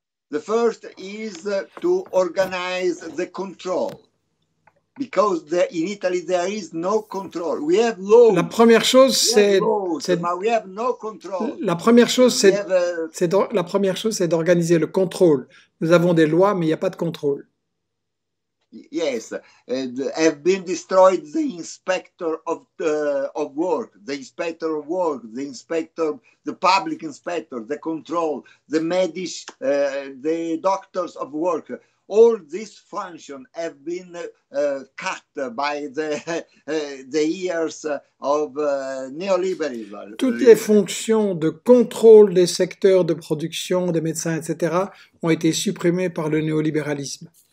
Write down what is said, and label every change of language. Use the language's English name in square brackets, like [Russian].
[English] The first is to organize the control, because there, in Italy there is no control. We have laws. [French] La première chose, c'est, [English] we have no control. [French] La première chose, c'est, la première chose, c'est d'organiser le contrôle. Nous avons des lois, mais il n'y a pas de contrôle. [English] Yes, and have been destroyed the inspector of work, the inspector of work, the inspector, the public inspector, the control, the medic, the doctors of work. All these functions have been cut by the years of neoliberalism. [French] Toutes les fonctions de contrôle des secteurs de production, des médecins, etc., ont été supprimées par le néolibéralisme.